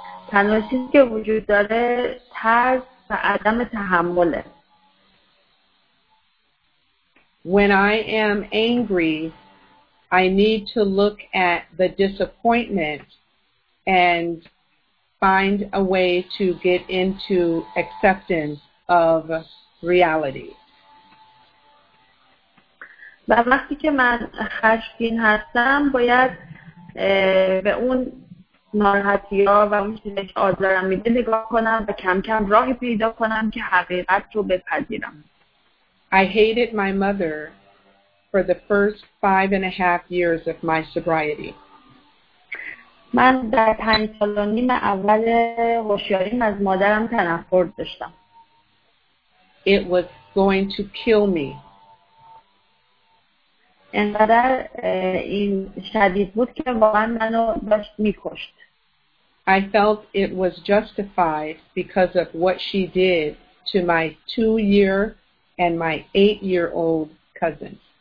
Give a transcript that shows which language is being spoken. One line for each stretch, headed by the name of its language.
Persian: تنها چیزی که وجود داره ترس و عدم تحمله.
English: When I am angry, I need to look at the disappointment and find a way to get into acceptance of reality.
Persian: و وقتی که من خشمگین هستم باید به اون ناراحتی ها و اون چیزی که آزارم میده نگاه کنم و کم کم راهی پیدا کنم که حقیقت رو بپذیرم.
English: I hated my mother for the first 5.5 years of my sobriety.
Persian: من در 5.5 سال اول هوشیاریم از مادرم تنفر داشتم.
English: It was going to kill me.
Persian: انقدر این شدید بود که واقعا منو داشت میکشت.
English: I felt it was justified because of what she did to my 2-year and my 8-year-old cousins.